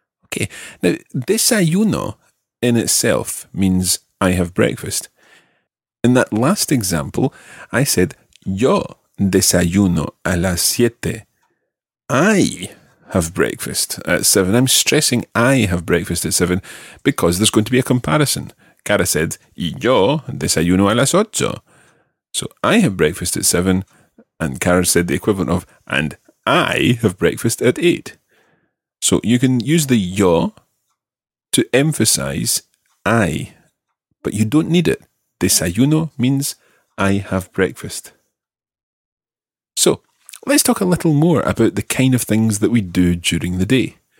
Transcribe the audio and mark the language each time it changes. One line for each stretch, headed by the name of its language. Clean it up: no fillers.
English: Okay. Now, desayuno in itself means I have breakfast. In that last example, I said,
Spanish: yo desayuno a las siete.
English: I have breakfast at 7. I'm stressing I have breakfast at 7 because there's going to be a comparison. Cara said,
Spanish: y yo desayuno a las ocho.
English: So I have breakfast at 7, and Cara said the equivalent of, and I have breakfast at 8. So you can use the yo to emphasize I, but you don't need it. Desayuno means I have breakfast. So, let's talk a little more about the kind of things that we do during the day.